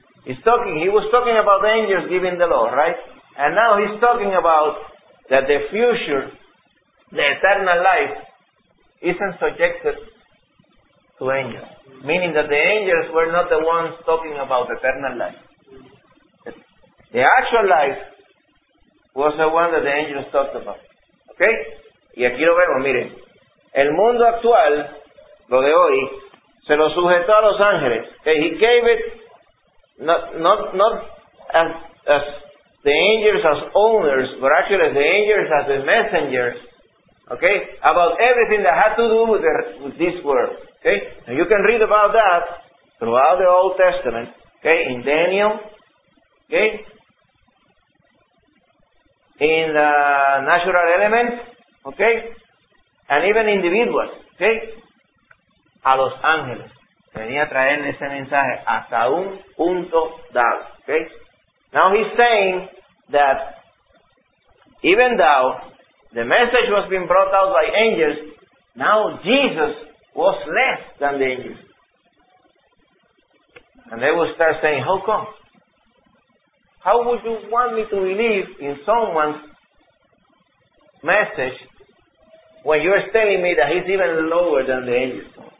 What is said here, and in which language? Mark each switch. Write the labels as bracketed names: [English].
[English] He was talking about the angels giving the law, right? And now he's talking about that the future, the eternal life, isn't subjected to angels. Meaning that the angels were not the ones talking about eternal life. The actual life was the one that the angels talked about. [Spanish] Okay? Y aquí lo vemos, miren. El mundo actual, lo de hoy, se lo sujetó a los ángeles. Okay? [English] He gave it not as the angels as owners, but actually the angels as the messengers. Okay, about everything that had to do with this world. Okay, and you can read about that throughout the Old Testament. Okay, in Daniel. Okay, in the natural elements. Okay, and even individuals. Okay, [Spanish] a los ángeles. Venía a traerle ese mensaje hasta un punto dado. [English] Okay, now he's saying that even though the message was being brought out by angels, now Jesus was less than the angels. And they will start saying, how come? How would you want me to believe in someone's message when you're telling me that he's even lower than the angels?